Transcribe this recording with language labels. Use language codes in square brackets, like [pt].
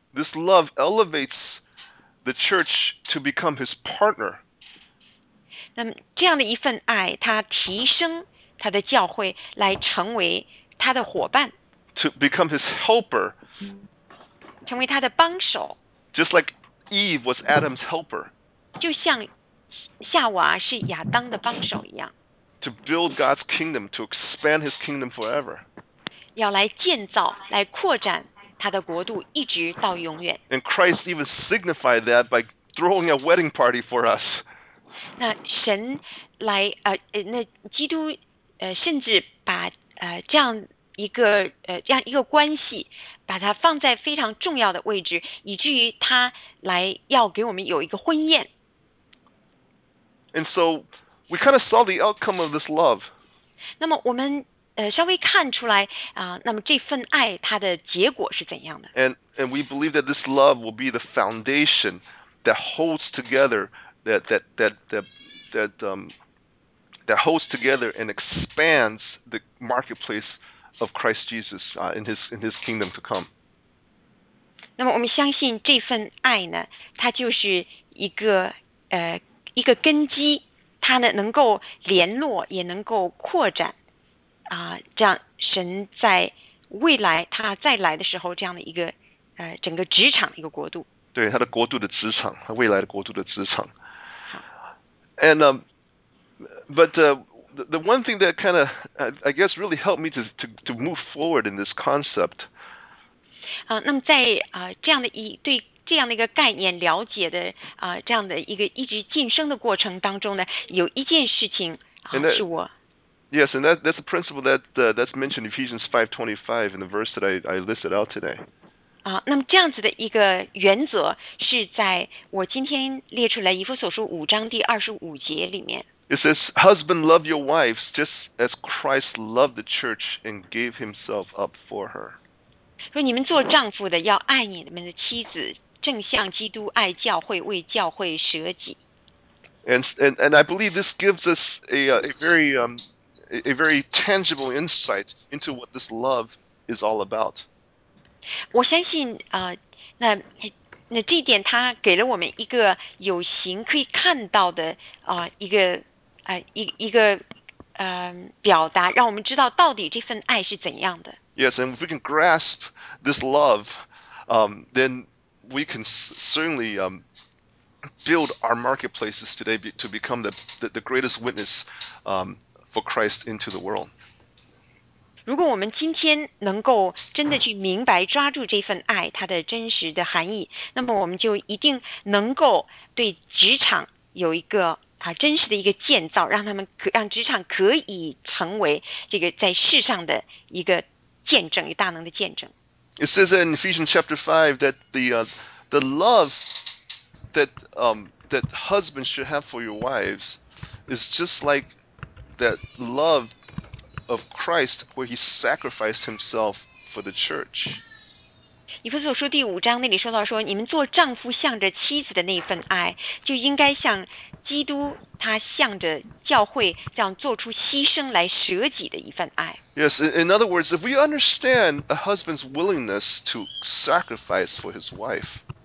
[en] This love elevates the church to become his partner. [zh] 那么这样的一份爱，他提升他的教会来成为他的伙伴。 [en] To become his helper. [zh] 成为他的帮手。 [en] Just like Eve was Adam's helper. [zh] 就像夏娃是亚当的帮手一样。 [en] To build God's kingdom, to expand His kingdom forever. [zh] 要来建造，来扩展他的国度，一直到永远。 [en] And Christ even signified that by throwing a wedding party for us. [zh] 那神来那基督甚至把这样一个关系，把它放在非常重要的位置，以至于他来要给我们有一个婚宴。 [en] And so. We kind of saw the outcome of this love. [zh] 那么我们稍微看出来那么这份爱它的结果是怎样的。 [en] And we believe that this love will be the foundation that holds together that holds together and expands the marketplace of Christ Jesus in his kingdom to come. [zh] 那么我们相信这份爱呢，它就是一个一个根基，它呢能够联络，也能够扩展啊，这样神在未来他再来的时候，这样的一个整个职场的一个国度，对他的国度的职场，他未来的国度的职场。 [en] And but the one thing that kind of I guess really helped me to move forward in this concept. [zh] 那么在这样的一对这样的一个概念了解的这样的一个一直晋升的过程当中呢，有一件事情是我。 [en] Yes, and that's the principle that's mentioned in Ephesians 5:25 in the verse that I listed out today. [zh] 那么这样子的一个原则是在我今天列出来以弗所书五章第二十五节里面。 [en] It says, "Husband, love your wives just as Christ loved the church and gave himself up for her." [zh] 所以你们做丈夫的要爱你们的妻子，正像基督爱教会，为教会舍己。 [en] And I believe this gives us a very tangible insight into what this love is all about. [zh] 我相信那这一点它给了我们一个有形可以看到的一个表达，让我们知道到底这份爱是怎样的。 [en] Yes, and if we can grasp this love, then we can certainly build our marketplaces today to become the greatest witness. For Christ into the world. [zh] 如果我们今天能够真的去明白抓住这份爱它的真实的含义，那么我们就一定能够对职场有一个真实的一个建造，让他们让职场可以成为这个在世上的一个见证，一大能的见证。 [en] It says in Ephesians chapter 5 that the love that husbands should have for your wives is just likeThat love of Christ, where He sacrificed Himself for the church. [zh] 以弗所书第五章那里说到说，你们做丈夫向着妻子的那份爱，就应该像基督他向着教会这样做出牺牲来舍己的一份爱。 [en] Yes, in other words, if we understand a husband's willingness to sacrifice for his wife.